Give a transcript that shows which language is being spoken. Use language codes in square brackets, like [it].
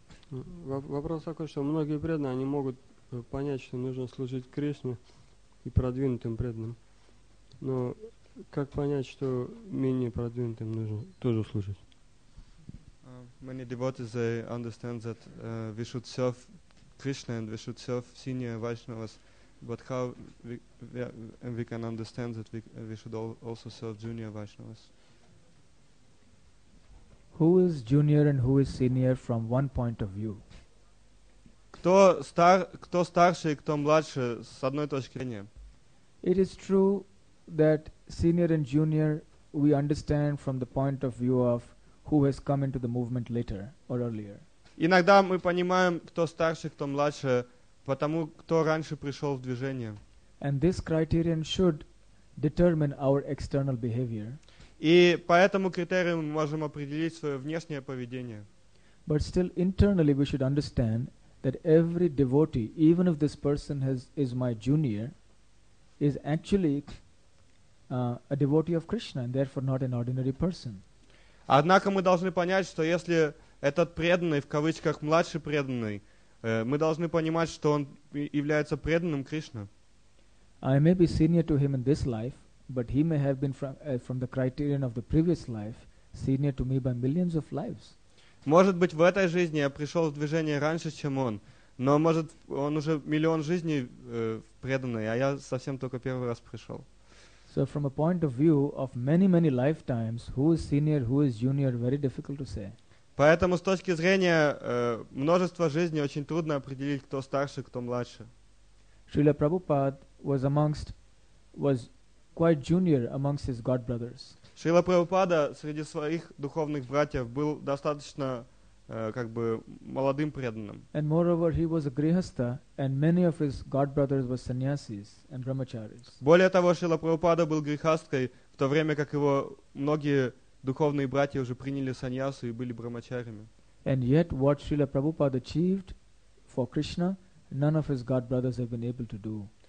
[ru] Вопрос такой, что многие преданные, они могут понять, что нужно служить Кришне и продвинутым преданным. Но Как понять, что менее продвинутым нужно тоже служить? [en] Many devotees they understand that we should serve Krishna and we should serve senior Vaishnavas, but how we can understand that we should also serve junior Vaishnavas? Who is junior and who is senior from one point of view? [ru] Кто старше и кто младше с одной точки зрения? [en] It is true that senior and junior we understand from the point of view of who has come into the movement later or earlier. [ru] Иногда мы понимаем, кто старше, кто младше, потому кто раньше пришел в движение. [en] And this criterion should determine our external behavior. [ru] И по этому критерию мы можем определить свое внешнее поведение. [en] But still internally we should understand that every devotee, even if this person is my junior, is actually a devotee of Krishna and therefore not an ordinary person. [ru] Однако мы должны понять, что если этот преданный, в кавычках, младший преданный, мы должны понимать, что он является преданным Кришне. [en] I may be senior to him in this life, but he may have been from the criterion of the previous life, senior to me by millions of lives. [ru] Может быть, в этой жизни я пришел в движение раньше, чем он, но может, он уже миллион жизней преданный, а я совсем только первый раз пришел. [en] So from a point of view of many, many lifetimes, who is senior, who is junior, very difficult to say. [ru] Поэтому с точки зрения множества жизней очень трудно определить, кто старше, кто младше. [en] Шрила Прабхупад was quite junior amongst his god brothers. [ru] Шрила Прабхупада среди своих духовных братьев был достаточно молодым преданным. [en] And moreover, he was a grihastha, and many of his god brothers were sannyasis and brahmacharis. [ru] Более того, Шрила Прабхупада был грихасткой, в то время как его многие духовные братья уже приняли саньясу и были брахмачарями. [en] And yet what Srila Prabhupada achieved for Krishna, none of his god brothers have been able to do.